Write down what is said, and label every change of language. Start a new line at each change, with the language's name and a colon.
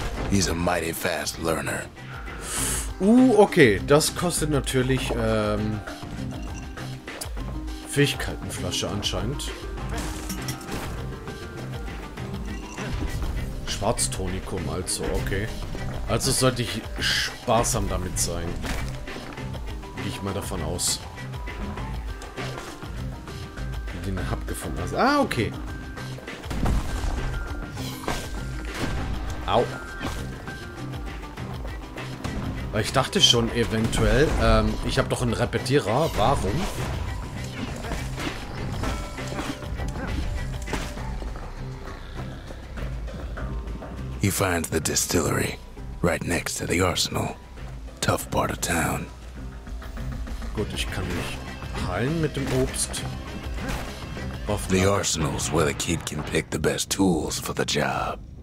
English: He's a mighty fast learner.
German: Okay. Das kostet natürlich Fähigkeitenflasche anscheinend. Schwarztonikum, also, okay. Also sollte ich sparsam damit sein. Gehe ich mal davon aus. Den Hub gefunden hast. Ah, okay. Au. Weil ich dachte schon eventuell, ich habe doch einen Repetierer. Warum?
English: He finds the distillery right next to the arsenal. Tough part of town.
German: Gut, ich kann mich heilen mit dem Obst.
English: The arsenal's where the kid can pick the best tools for the job.